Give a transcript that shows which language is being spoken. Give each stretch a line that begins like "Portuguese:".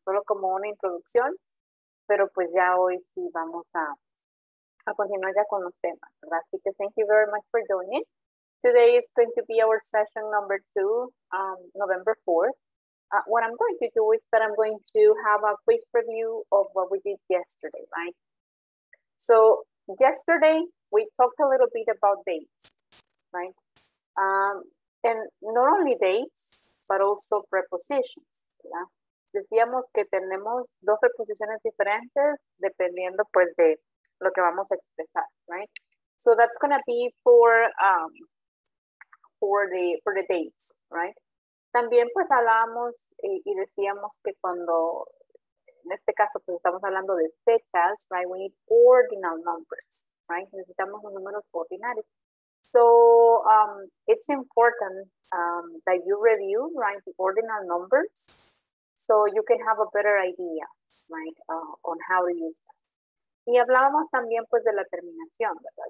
Spanish: Solo como una introducción, pero pues ya hoy sí vamos a continuar ya con los temas, ¿verdad? Así que
English: thank you very much for joining. Today is going to be our session number two, November 4th. What I'm going to do is that I'm going to have a quick review of what we did yesterday, right? So yesterday, we talked a little bit about dates, right? And not only dates, but also prepositions, ¿verdad?
Spanish: Decíamos que tenemos dos preposiciones diferentes dependiendo, pues, de lo que vamos a expresar, right?
English: So that's going to be for the dates, right?
Spanish: También pues hablábamos y decíamos que cuando, en este caso pues estamos hablando de fechas, right?
English: We need ordinal numbers, right?
Spanish: Necesitamos los números ordinarios.
English: So it's important that you review, right, the ordinal numbers so you can have a better idea, right, on how to use them.
Spanish: Y hablábamos también pues de la terminación, ¿verdad?